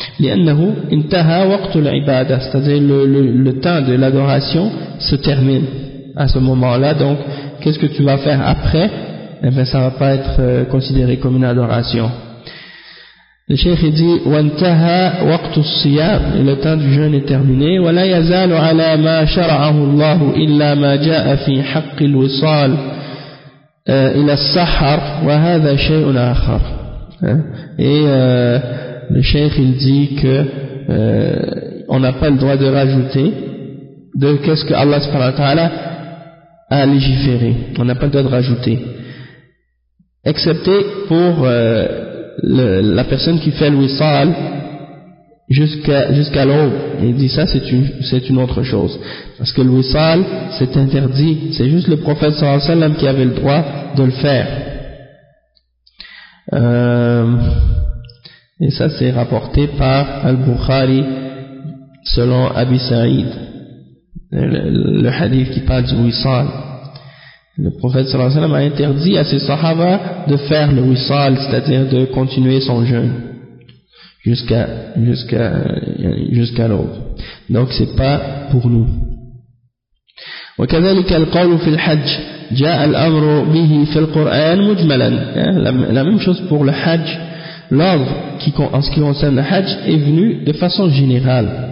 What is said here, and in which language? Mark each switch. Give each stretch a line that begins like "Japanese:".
Arabic: لِأَنَّهُ انْتَهَى وَقْتُ الْعِبَادَةِ,
French: c'est-à-dire le temps de l'adoration se termine à ce moment-là. Donc, qu'est-ce que tu vas faire après? Eh bien, ça va pas être considéré comme une adoration. Le cheikh dit
Arabic: وَانْتَهَى وَقْتُ الصِّيَامِ,
French: le temps du jeûne est terminé.
Arabic: وَلَا يَزَالُ عَلَى مَا شَرَعَهُ اللَّهُ إِلَّا مَا جَاءَ فِي حَقِّ الْوِصَالِ إلى السحر وهذا شيء آخر.
French: Le cheikh il dit que on n'a pas le droit de rajouter de qu'est-ce que Allah subhanahu wa ta'ala a légiféré. On n'a pas le droit de rajouter, excepté pour la personne qui fait le wissal jusqu'à l'aube. Il dit ça c'est une autre chose, parce que le wissal c'est interdit, c'est juste le prophète sallallahu alayhi wa sallam qui avait le droit de le faire, et ça c'est rapporté par Al-Bukhari selon Abi Saïd, le hadith qui parle du wissal. Le prophète sallallahu alayhi wa sallam a interdit à ses sahaba de faire le wissal, c'est-à-dire de continuer son jeûne jusqu'à l'aube. Donc c'est pas pour nous.
Arabic: وكذلك القول في الحج جاء الأمر به في القرآن مجملا.
French: La même chose pour le Hajj. L'ordre en ce qui concerne le Hajj est venu de façon générale.